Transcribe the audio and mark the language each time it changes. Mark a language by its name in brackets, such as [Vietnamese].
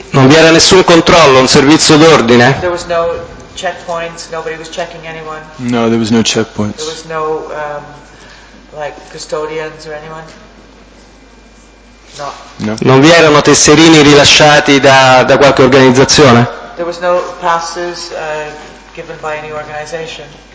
[Italian] Non vi era nessun controllo, un servizio d'ordine? [English] There was no checkpoints, nobody was checking anyone. No, there was no checkpoints. There was no, custodians or anyone? No. [Italian] Non vi erano tesserini rilasciati da qualche organizzazione? [English] There was no passes, given by any organization?